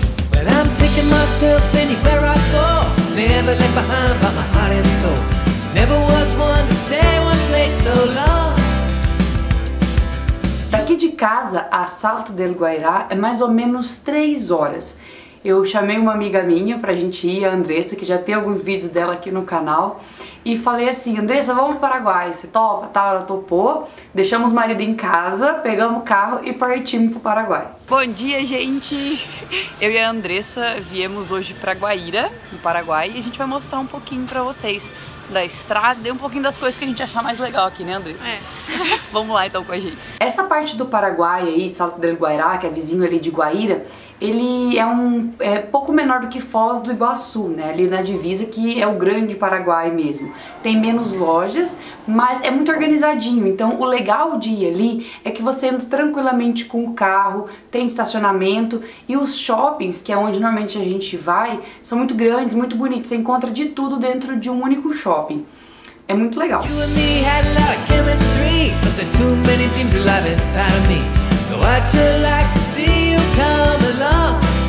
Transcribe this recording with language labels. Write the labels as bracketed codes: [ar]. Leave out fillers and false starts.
[en] Well, I'm taking myself anywhere I go. Never left behind by my heart and soul. Never was one to stay one place so long. [pt] Daqui de casa a Salto del Guairá é mais ou menos 3 horas. Eu chamei uma amiga minha pra gente ir, a Andressa, que já tem alguns vídeos dela aqui no canal, e falei assim: Andressa, vamos pro Paraguai, você topa? Tá, ela topou, deixamos o marido em casa, pegamos o carro e partimos pro Paraguai. Bom dia, gente! Eu e a Andressa viemos hoje pra Guaíra, no Paraguai, e a gente vai mostrar um pouquinho pra vocês da estrada e um pouquinho das coisas que a gente achar mais legal aqui, né, Andressa? É. Vamos lá então com a gente. Essa parte do Paraguai aí, Salto del Guairá, que é vizinho ali de Guaíra, ele é pouco menor do que Foz do Iguaçu, né, ali na divisa, que é o grande Paraguai mesmo. Tem menos lojas, mas é muito organizadinho, então o legal de ir ali é que você entra tranquilamente com o carro, tem estacionamento, e os shoppings, que é onde normalmente a gente vai, são muito grandes, muito bonitos, você encontra de tudo dentro de um único shopping. É muito legal. [en] You and me had a lot of chemistry, but there's too many things alive inside of me. So I'd sure like to see you come along.